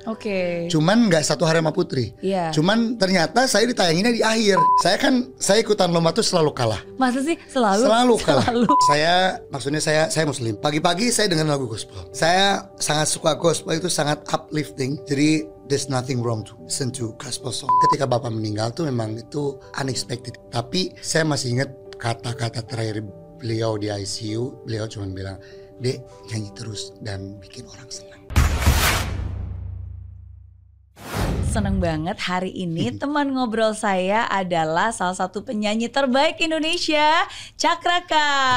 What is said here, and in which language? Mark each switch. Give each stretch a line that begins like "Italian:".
Indonesian: Oke. Cuman gak satu hari sama Putri. Iya. Cuman ternyata saya ditayanginnya di akhir. Saya kan, saya ikutan lomba tuh selalu kalah. Masa sih selalu? Selalu kalah. Saya, maksudnya saya muslim. Pagi-pagi saya dengar lagu gospel. Saya sangat suka gospel, itu sangat uplifting. Jadi
English: there's nothing wrong to listen to gospel song.
Indonesian: Ketika bapak meninggal tuh memang itu unexpected. Tapi saya masih ingat kata-kata terakhir beliau di ICU. Beliau cuma bilang, "Dek, nyanyi terus dan bikin orang senang." Senang banget hari ini teman ngobrol saya adalah salah satu penyanyi terbaik Indonesia, Cakra Khan.